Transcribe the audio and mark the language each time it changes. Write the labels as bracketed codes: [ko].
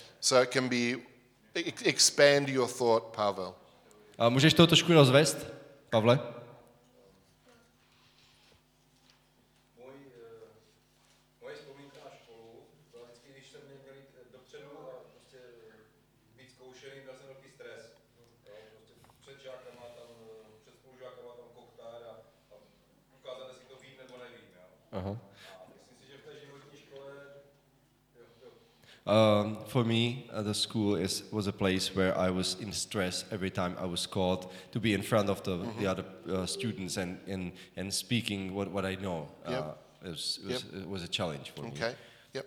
[en] So it can be, expand your thought, Pavel. [cs] Můžeš to trošku rozvést, Pavle? Moje vzpomínka na školu, vždycky, když jsem měl jít dopředu a prostě být zkoušený, měl jsem velký stres. Prostě před žákama tam, před spolužákama tam koktár a ukázat, jestli to vím nebo nevím. Aha. [en] For me, the school was a place where I was in stress every time I was called to be in front of the other students and speaking what I know. Yep. It was a challenge for okay. me. Okay. Yep.